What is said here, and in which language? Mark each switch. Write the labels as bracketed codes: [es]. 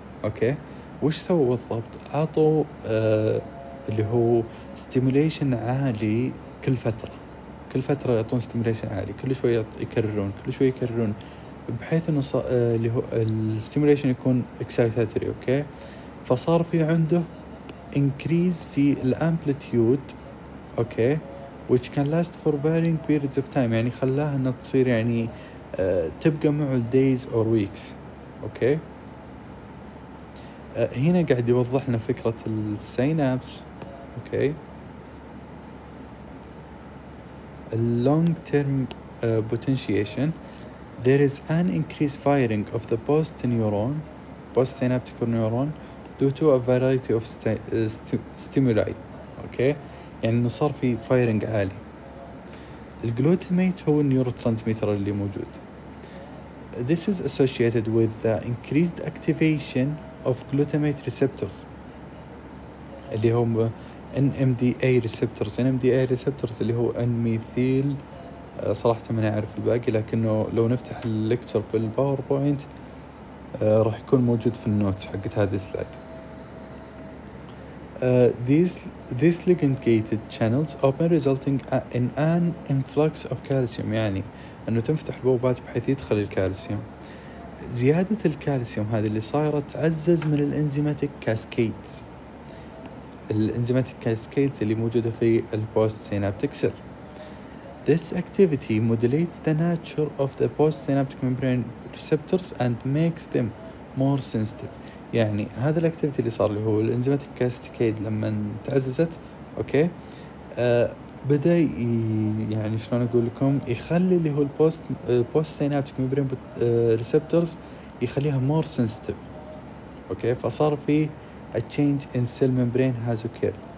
[ar] Okay, وش سووا بالضبط؟ عطوا اللي هو stimulation عالي كل فترة. كل فترة يعطون stimulation عالي، كل شوي يكررون، كل شوي يكررون، بحيث إنه اللي هو stimulation يكون excitatory. Okay, فصار في عنده increase في amplitude. [en] Okay, which can last for varying periods of time. [ar] يعني خلاها إنها تصير يعني تبقى معه [en] days or weeks. Okay. [ar] هنا قاعد يوضح لنا فكرة السينابس. [en] Okay. Long term potentiation. There is an increased firing of the post neuron, post synaptic neuron, due to a variety of stimuli. Okay. [ar] يعني إنه صار في فايرنج عالي. الجلوتاميت هو النيورو ترانسميتر اللي موجود. [en] This is associated with the increased activation of glutamate receptors اللي هم NMDA receptors. [ar] NMDA receptors اللي هو N-methyl، صراحة ما نعرف الباقي، لكنه لو نفتح الليكتشر في الباوربوينت راح يكون موجود في النوتس حقت هذه السلايد. [en] These ligand gated channels open, resulting in an influx of calcium. [ar] يعني انه تنفتح البوابات بحيث يدخل الكالسيوم. زيادة الكالسيوم هذه اللي صايرة تعزز من الانزيماتيك كاسكيدز، الانزيماتيك كاسكيدز اللي موجودة في البوست سينابتيك سيل. [en] This activity modulates the nature of the post synaptic membrane receptors and makes them more sensitive. [ar] يعني هذا الاكتيفيتي اللي صار اللي هو الانزيماتيك كاسكيد لما تعززت، اوكي، بدا يعني شلون اقول لكم، يخلي اللي هو البوست سينابتيك ميمبرين ريسبتورز يخليها مور سنسيتيف. اوكي، فصار في [en] Change in cell membrane has occurred.